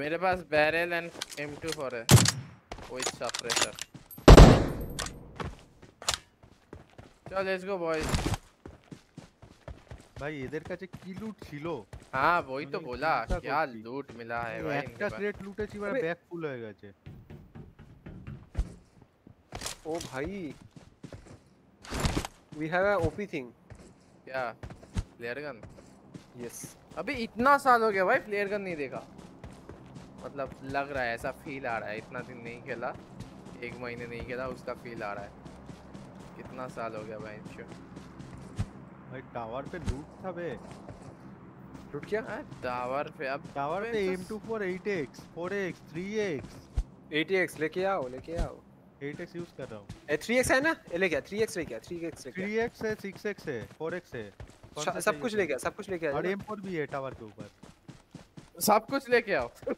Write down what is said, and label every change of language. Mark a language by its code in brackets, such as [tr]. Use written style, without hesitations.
[hi] मेरे पास barrel and M24 है with suppressor चलो [en] let's go boys [hi] भाई इधर का जो की लूट छिलो हां वही तो बोला क्या लूट मिला है भाई इनका क्रेट लूटे छि बड़ा बैग फुल हो गया छे ओ भाई [en] We have a OP thing. Yeah. Flare gun. Yes. [hi] अभी इतना साल हो गया भाई फ्लेयर गन नहीं देखा मतलब लग रहा है ऐसा फील आ रहा है इतना दिन नहीं खेला एक महीने नहीं खेला उसका फील आ रहा है कितना साल हो गया भाई भाई टावर पे लूट था बे लूट क्या है टावर पे अब टावर पे M24 8x 4x 3x 8x लेके आओ लेके आओ 8x यूज कर रहा हूं ए 3x है ना ए ले गया 3x ले गया 3x ले गया 3x है 6x है 4x है सब कुछ ले गया सब कुछ ले गया और M4 भी है टावर के ऊपर सब कुछ लेके आओ